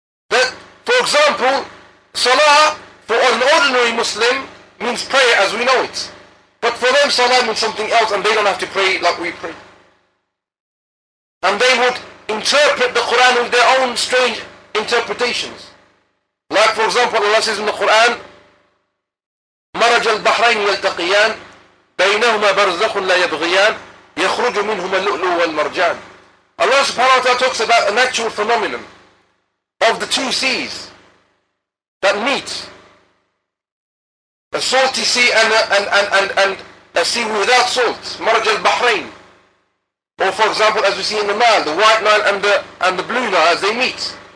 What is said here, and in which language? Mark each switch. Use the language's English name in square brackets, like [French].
[English] That, for example, Salah for an ordinary Muslim means prayer as we know it. But for them, Salah means something else, and they don't have to pray like we pray. And they would interpret the Quran with their own strange interpretations. Like, for example, Allah says in the Quran, [Arabic] مَرَجَ الْبَحْرَيْنِ يَلْتَقِيَانِ بَيْنَهُمَا بَرْزَخٌ لَا يَبْغِيَانِ يَخْرُجُ مِنْهُمَا اللُّؤْلُؤُ وَالْمَرْجَانِ. [English] Allah subhanahu wa ta'ala talks about a natural phenomenon of the two seas that meet. A salty sea and a sea without salt, [Arabic] مَرَج الْبَحْرَيْن. [English] Or for example, as we see in the Nile, the white Nile and the blue Nile as they meet.